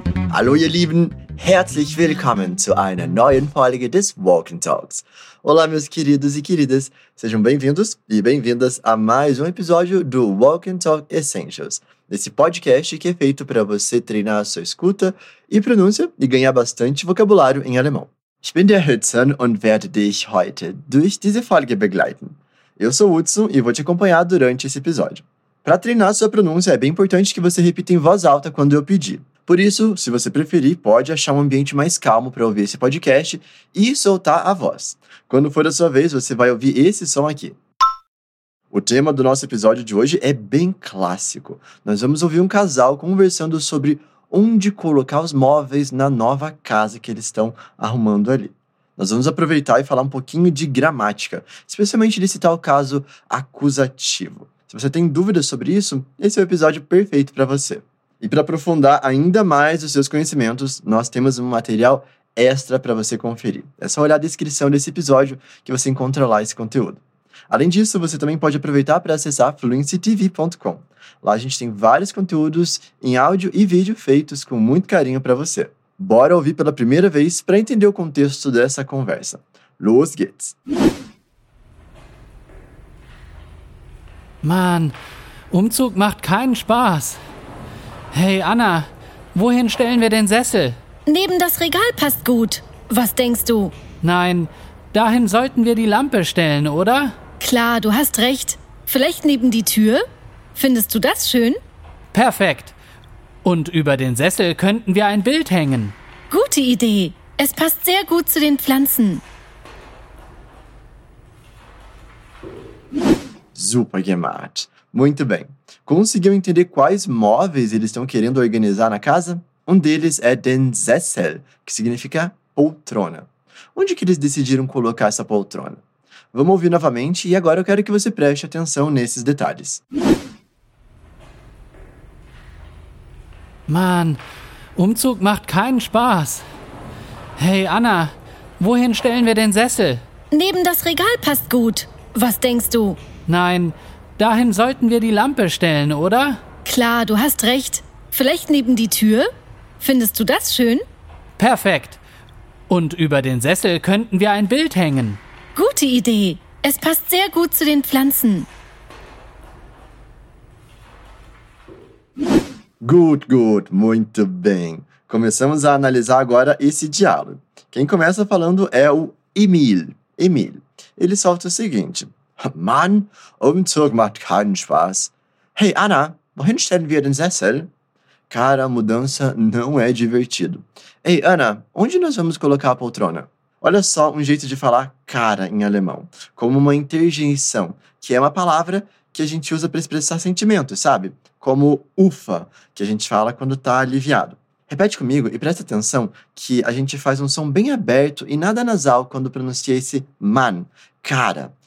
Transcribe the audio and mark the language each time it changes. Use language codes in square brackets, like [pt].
[de] Hallo ihr Lieben, herzlich willkommen zu einer neuen Folge des Walking Talks. [pt] Olá meus queridos e queridas, sejam bem-vindos e bem-vindas a mais episódio do Walking Talk Essentials, esse podcast que é feito para você treinar a sua escuta e pronúncia e ganhar bastante vocabulário em alemão. [de] Ich bin der Hudson und werde dich heute durch diese Folge begleiten. [pt] Eu sou o Hudson e vou te acompanhar durante esse episódio. Para treinar a sua pronúncia, é bem importante que você repita em voz alta quando eu pedir. Por isso, se você preferir, pode achar um ambiente mais calmo para ouvir esse podcast e soltar a voz. Quando for a sua vez, você vai ouvir esse som aqui. O tema do nosso episódio de hoje é bem clássico. Nós vamos ouvir um casal conversando sobre onde colocar os móveis na nova casa que eles estão arrumando ali. Nós vamos aproveitar e falar um pouquinho de gramática, especialmente nesse tal caso acusativo. Se você tem dúvidas sobre isso, esse é o episódio perfeito para você. E para aprofundar ainda mais os seus conhecimentos, nós temos um material extra para você conferir. É só olhar a descrição desse episódio que você encontra lá esse conteúdo. Além disso, você também pode aproveitar para acessar fluencytv.com. Lá a gente tem vários conteúdos em áudio e vídeo feitos com muito carinho para você. Bora ouvir pela primeira vez para entender o contexto dessa conversa. [de] Los geht's! Mann, Umzug macht keinen Spaß! Hey Anna, wohin stellen wir den Sessel? Neben das Regal passt gut. Was denkst du? Nein, dahin sollten wir die Lampe stellen, oder? Klar, du hast recht. Vielleicht neben die Tür? Findest du das schön? Perfekt. Und über den Sessel könnten wir ein Bild hängen. Gute Idee. Es passt sehr gut zu den Pflanzen. Super gemacht. [pt] Muito bem. Conseguiu entender quais móveis eles estão querendo organizar na casa? Um deles é den Sessel, que significa poltrona. Onde que eles decidiram colocar essa poltrona? Vamos ouvir novamente e agora eu quero que você preste atenção nesses detalhes. [de] Mann, Umzug macht keinen Spaß. Hey Anna, wohin stellen wir den Sessel? Neben das Regal passt gut. Was denkst du? Nein, dahin sollten wir die Lampe stellen, oder? Klar, du hast recht. Vielleicht neben die Tür? Findest du das schön? Perfekt. Und über den Sessel könnten wir ein Bild hängen. Gute Idee. Es passt sehr gut zu den Pflanzen. Gut, gut. [pt] Muito bem. Começamos a analisar agora esse diálogo. Quem começa falando é o Emil. Emil. Ele solta o seguinte. [de] Mann, Umzug macht keinen Spaß. Hey, Anna, wohin stellen wir den Sessel? [pt] Cara, mudança não é divertido. Hey, Anna, onde nós vamos colocar a poltrona? Olha só um jeito de falar cara em alemão, como uma interjeição, que é uma palavra que a gente usa para expressar sentimentos, sabe? Como ufa, que a gente fala quando está aliviado. Repete comigo e presta atenção que a gente faz um som bem aberto e nada nasal quando pronuncia esse man, cara.